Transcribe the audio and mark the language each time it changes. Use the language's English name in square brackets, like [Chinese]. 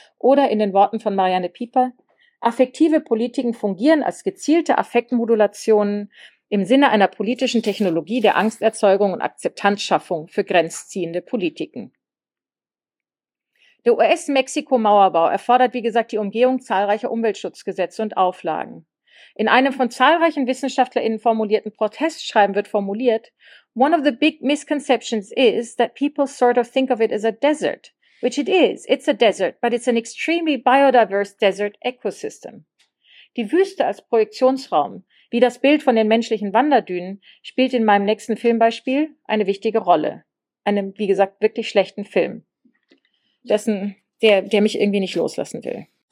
[German] Oder in den Worten von Marianne Pieper: Affektive Politiken fungieren als gezielte Affektmodulationen im Sinne einer politischen Technologie der Angsterzeugung und Akzeptanzschaffung für grenzziehende Politiken. Der US-Mexiko-Mauerbau erfordert, wie gesagt, die Umgehung zahlreicher Umweltschutzgesetze und Auflagen. In einem von zahlreichen WissenschaftlerInnen formulierten Protestschreiben wird formuliert: [English] One of the big misconceptions is that people sort of think of it as a desert, which it is. It's a desert, but it's an extremely biodiverse desert ecosystem. [German] Die Wüste als Projektionsraum, wie das Bild von den menschlichen Wanderdünen, spielt in meinem nächsten Filmbeispiel eine wichtige Rolle. Einem, wie gesagt, wirklich schlechten Film, der mich irgendwie nicht loslassen will.